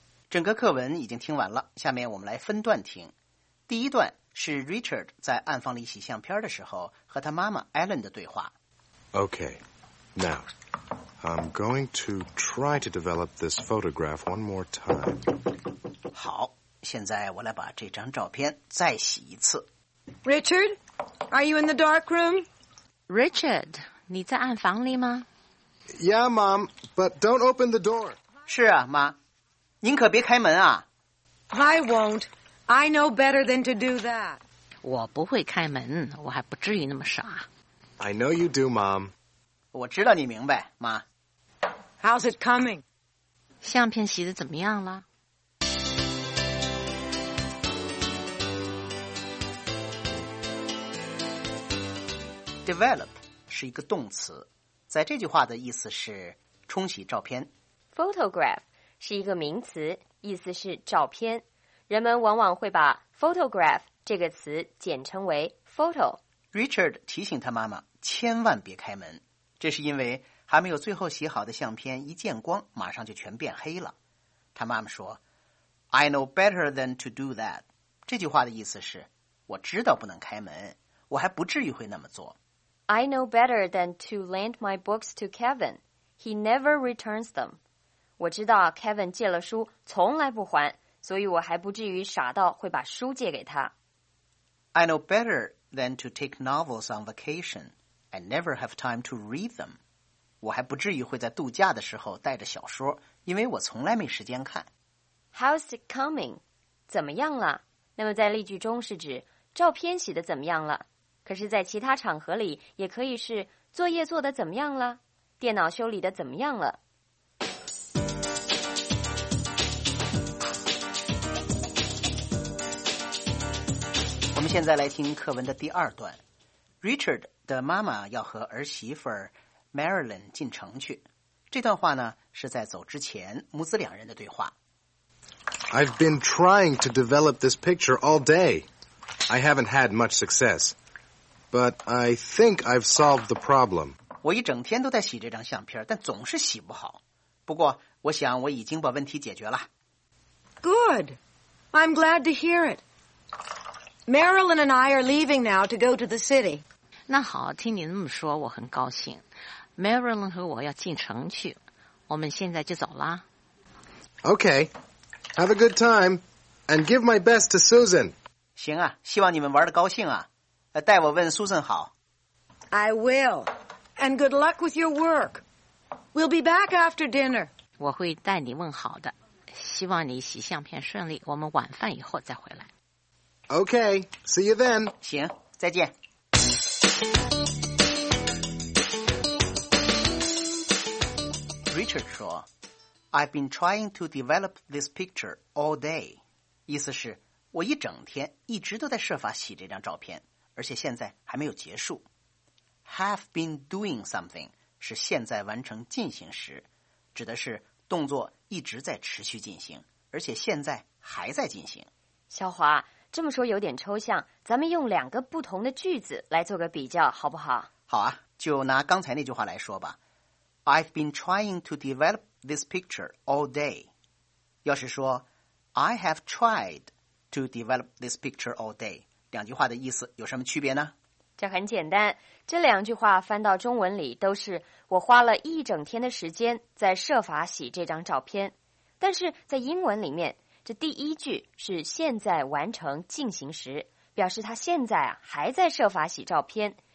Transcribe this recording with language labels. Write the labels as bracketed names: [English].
[Chinese] 整个课文已经听完了，下面我们来分段听。第一段是 Richard 在暗房里洗相片的时候和他妈妈 Ellen 的对话。 [English] Okay, now, I'm going to try to develop this photograph one more time. [Chinese] 好，现在我来把这张照片再洗一次。 [English] Richard, are you in the dark room? [Chinese] Richard, 你在暗房里吗？ [English] Yeah, Mom, but don't open the door. [Chinese] 是啊，妈，您可别开门啊。 [English] I won't. I know better than to do that. [Chinese] 我不会开门，我还不至于那么傻。 [English] I know you do, Mom. [Chinese] 我知道你明白，妈。 [English] How's it coming? [Chinese] 相片洗得怎么样了？ Develop 是一个动词，在这句话的意思是冲洗照片。 Photograph 是一个名词，意思是照片。人们往往会把 photograph 这个词简称为 photo。 Richard 提醒他妈妈千万别开门，这是因为还没有最后洗好的相片一见光，马上就全变黑了。他妈妈说 [English] ：“I know better than to do that。” [Chinese] 这句话的意思是，我知道不能开门，我还不至于会那么做。 [English] I know better than to lend my books to Kevin. He never returns them. [Chinese] 我知道 Kevin 借了书从来不还，所以我还不至于傻到会把书借给他。 [English] I know better than to take novels on vacation. I never have time to read them. [Chinese] 我还不至于会在度假的时候带着小说，因为我从来没时间看。 [English] How's it coming? [Chinese] 怎么样了？那么在例句中是指照片洗得怎么样了？可是在其他场合里也可以是作业做得怎么样了，电脑修理得怎么样了。我们现在来听课文的第二段。Richard 的妈妈要和儿媳妇 Marilyn 进城去，这段话呢是在走之前母子两人的对话。 [English] I've been trying to develop this picture all day. I haven't had much successBut I think I've solved the problem. [Chinese] 我一整天都在洗这张相片，但总是洗不好。不过，我想我已经把问题解决了。 [English] Good. I'm glad to hear it. Marilyn and I are leaving now to go to the city. [Chinese] 那好，听你那么说，我很高兴。Marilyn 和我要进城去，我们现在就走啦。 [English] Okay. Have a good time. And give my best to Susan. [Chinese] 行啊，希望你们玩得高兴啊。代我问苏珊好。 [English] I will. And good luck with your work. We'll be back after dinner. [Chinese] 我会代你问好的。希望你洗相片顺利，我们晚饭以后再回来。 [English] Okay, see you then. [Chinese] 行，再见。 [English] Richard 说 I've been trying to develop this picture all day. [Chinese] 意思是我一整天一直都在设法洗这张照片。而且现在还没有结束。 [English] Have been doing something [Chinese] 是现在完成进行时，指的是动作一直在持续进行，而且现在还在进行。小华，这么说有点抽象，咱们用两个不同的句子来做个比较，好不好？好啊，就拿刚才那句话来说吧。 [English] I've been trying to develop this picture all day. [Chinese] 要是说 [English] I have tried to develop this picture all day. [Chinese] 两句话的意思有什么区别呢？这很简单，这两句话翻到中文里都是我花了一整天的时间在设法洗这张照片。但是在英文里面，这第一句是现在完成进行时，表示他现在啊还在设法洗照片。